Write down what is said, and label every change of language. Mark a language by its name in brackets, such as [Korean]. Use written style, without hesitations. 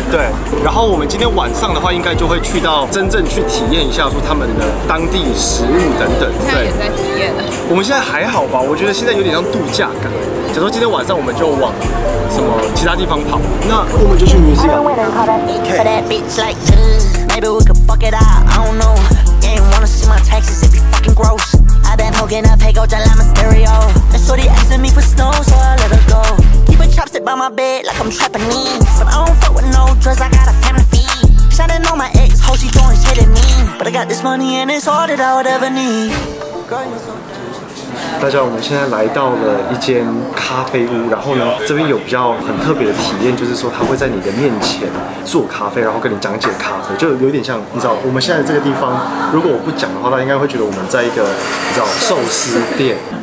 [Chinese] 对，然后我们今天晚上的话，应该就会去到真正去体验一下说他们的当地食物等等。对，现在也在体验了。我们现在还好吧？我觉得现在有点像度假感。假如今天晚上我们就往什么其他地方跑，那我们就去 museum。 [English] Okay。 Maybe we could fuck it up, I don't know. You ain't wanna see my taxes, it'd be fucking gross. I've been hooking up, hey, go, John Lama stereo. That shorty asking me for snow, so I let her go. Keep a chopstick by my bed like I'm Japanese. But I don't fuck with no drugs, I got a family feed. Shining on my ex, hoe, she doing shit at me. But I got this money and it's all that I would ever need. [Chinese] 大家，我们现在来到了一间咖啡屋，然后呢，这边有比较很特别的体验，就是说他会在你的面前做咖啡，然后跟你讲解咖啡，就有点像你知道，我们现在这个地方，如果我不讲的话，他应该会觉得我们在一个你知道寿司店。